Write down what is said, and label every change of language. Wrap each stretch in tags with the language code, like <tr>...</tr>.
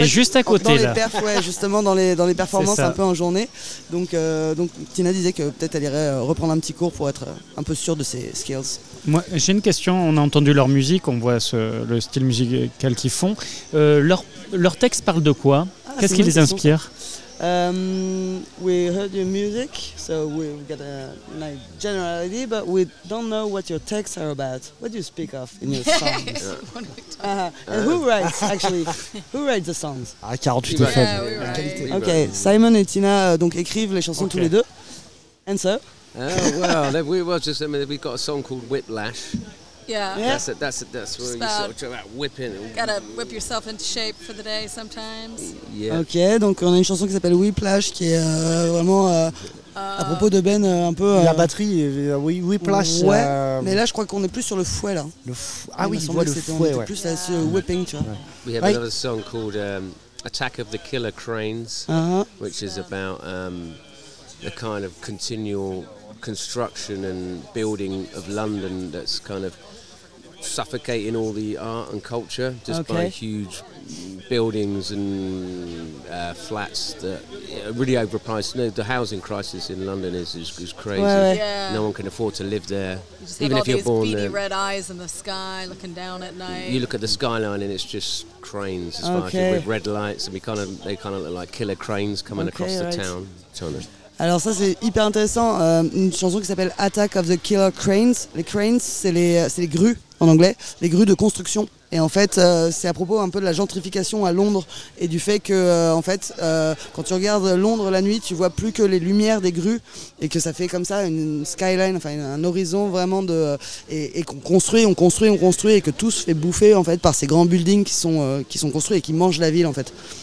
<fr>Juste à côté. Dans les perfs, ouais, justement, dans les performances un peu en journée. Donc Tina disait que peut-être elle irait reprendre un petit cours pour être un peu sûre de ses skills. Moi, j'ai une question. On a entendu leur musique, on voit le style musical qu'ils font. Leur texte parle de quoi? Qu'est-ce qui les inspire?</fr> <en>We heard your music, so we've got a nice general idea, but we don't know what your texts are about. What do you speak of in your songs? And who writes, actually? Who writes the songs?</en> <fr>Ah, 48 de fait. Okay, Simon et Tina donc écrivent les chansons tous les deux.</fr> <en>And so? We've got a song called Whiplash. Yeah. That's where you sort of try about whipping. Gotta whip yourself into shape for the day sometimes. Yeah.</en> <fr>Ok, donc on a une chanson qui s'appelle Whiplash qui est vraiment à propos de Ben un peu. La batterie, Whiplash. Ouais, mais là je crois qu'on est plus sur le fouet là. On est plus sur le whipping, tu vois.</fr> <en>We have another song called Attack of the Killer Cranes, which is about the kind of continual construction and building of London that's kind of suffocating all the art and culture just by huge buildings and flats that are really overpriced. You know, the housing crisis in London is crazy.</en> <fr>Ouais, ouais.</fr> <en>Yeah. No one can afford to live there. You just have all these beady red eyes in the sky looking down at night. You look at the skyline and it's just cranes as far as with red lights and they kind of look like killer cranes coming across the town.</en> <fr>Alors ça c'est hyper intéressant, une chanson qui s'appelle Attack of the Killer Cranes. Les cranes c'est les grues en anglais, les grues de construction. Et en fait c'est à propos un peu de la gentrification à Londres et du fait que quand tu regardes Londres la nuit, tu vois plus que les lumières des grues et que ça fait comme ça une skyline, enfin un horizon vraiment de et qu'on construit, on construit, on construit et que tout se fait bouffer en fait par ces grands buildings qui sont construits et qui mangent la ville en fait.</fr>